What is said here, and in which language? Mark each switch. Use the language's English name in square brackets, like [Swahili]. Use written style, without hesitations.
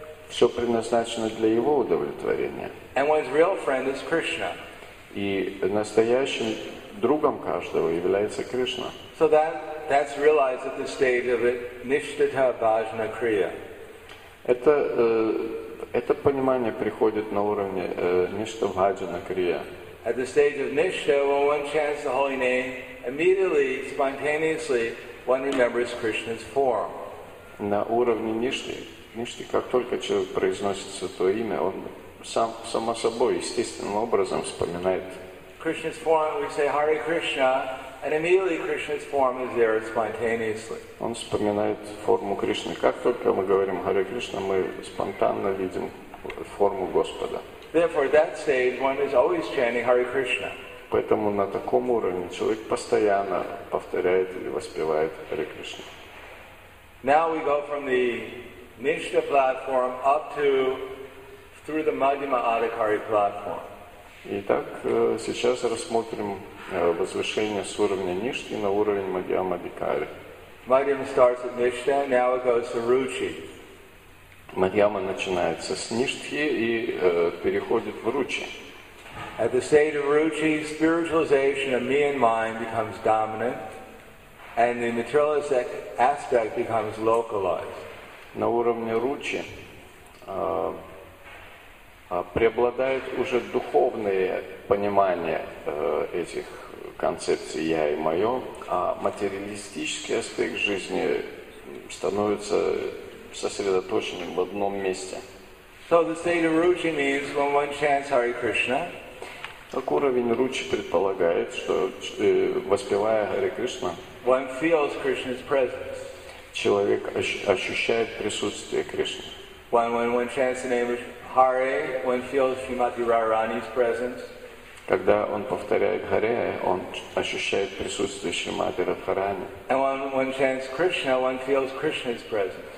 [Russian] Все предназначено для его удовлетворения. [English] And one's real friend is Krishna. [Russian] И настоящим другом каждого является Кришна. [English] So that's realized at the stage of Nishtha Bhajana Kriya. [Russian] Это понимание приходит на уровне Nishtha Bhajana Kriya. [English] At the stage of Nishtha, when one chants the holy name, immediately, spontaneously, one remembers Krishna's form. [Russian] На уровне Ништы, как только человек произносит святое имя, он сам, само собой, естественным образом вспоминает [English] Krishna's form, we say Hare Krishna, and immediately Krishna's form is there spontaneously. [Russian] Он вспоминает форму Кришны. Как только мы говорим Hare Krishna, мы спонтанно видим форму Господа. [English] Therefore, at that stage, one is always chanting Hare Krishna. [Russian] Поэтому на таком уровне человек постоянно повторяет или воспевает Hare Krishna. [English] Now we go from the Nishtha platform up to through the Madhyama Adhikari platform. [Russian] Итак, сейчас рассмотрим возвышение с уровня Ништы на уровень Мадхьяма Адхикари. [English] Мадхьяма starts at Nishtha, now it goes to Ruchi. [Russian] Мадхьяма начинается с Ништхи и переходит в Ручи. [English] At the stage of Ruchi, spiritualization of me and mine becomes dominant, and the materialistic aspect becomes localized. [Russian] На уровне Ручи преобладает уже духовное понимание этих концепций «я» и «моё», а материалистический аспект жизни становится сосредоточенным в одном месте. [English] So the state of Ruchi means when one chants Hare Krishna. [Russian] Так уровень ручи предполагает, что воспевая Харе Кришна, [English] one feels Krishna's presence. [Russian] Человек ощущает присутствие Кришны. [English] When chants the name of Hare, one feels Shrimati Radharani's presence. [Russian] Когда он повторяет Харе, он ощущает присутствие Шримати Радхарани. [English] And when chants Krishna, one feels Krishna's presence.